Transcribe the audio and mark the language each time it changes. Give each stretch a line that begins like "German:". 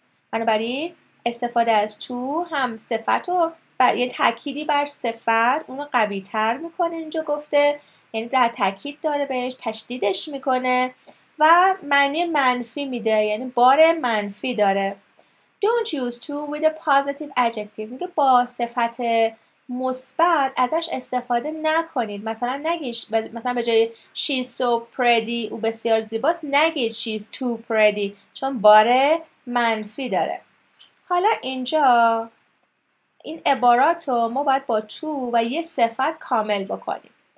Persian: بنابراین استفاده از تو هم صفت و یعنی تأکیدی بر صفت اونو قوی تر میکنه اینجا گفته، یعنی در تأکید داره بهش، تشدیدش میکنه و معنی منفی میده، یعنی بار منفی داره.
English: Don't use to with a positive adjective.
Persian: میگه با صفت مثبت ازش استفاده نکنید. مثلا نگیش مثلا به جای
English: she's so pretty،
Persian: او بسیار زیباست، نگید
English: she's too pretty،
Persian: چون بار منفی داره. حالا اینجا این عباراتو ما باید با تو و یه صفت کامل بکنیم.